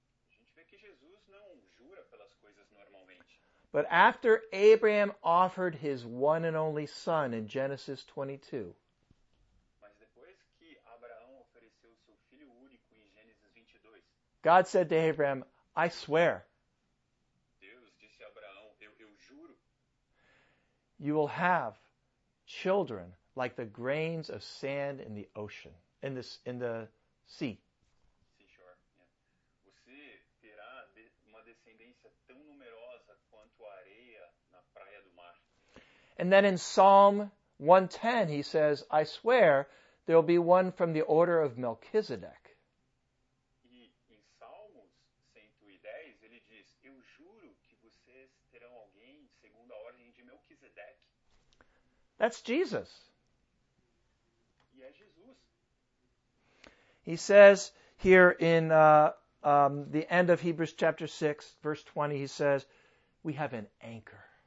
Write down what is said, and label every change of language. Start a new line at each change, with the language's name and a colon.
Portuguese: A gente vê que Jesus não jura pelas coisas normalmente.
English: But after Abraham offered his one and only son in Genesis 22.
Portuguese: Mas depois que Abraão ofereceu seu filho único em Gênesis 22.
English: God said to Abraham, I swear.
Portuguese: Deus disse a Abraão, eu juro.
English: You will have children like the grains of sand in the ocean. In the sea. Seashore, yeah.
Portuguese: Você terá uma descendência tão numerosa quanto a areia na praia do mar.
English: And then in Psalm 110, he says, I swear there will be one from the order of Melchizedek.
Portuguese: E em Salmos 110, ele diz, eu juro que vocês terão alguém segundo a ordem de Melchizedek.
English: That's Jesus.
Portuguese: Jesus.
English: He says here in the end of Hebrews chapter 6, verse 20, he says, we have an anchor.